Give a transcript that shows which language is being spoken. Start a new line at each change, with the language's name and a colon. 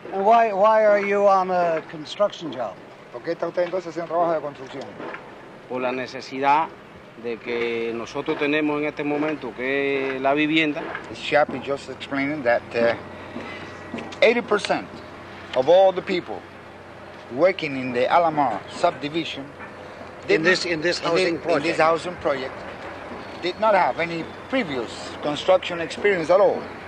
English: And why are you on a construction job?
Spanish: ¿Por qué está usted entonces en trabajo de construcción? Por la necesidad de que nosotros tenemos en este momento, que es la vivienda.
English: This chap is just explaining that 80% of all the people working in the Alamar subdivision in this housing project did not have any previous construction experience at all.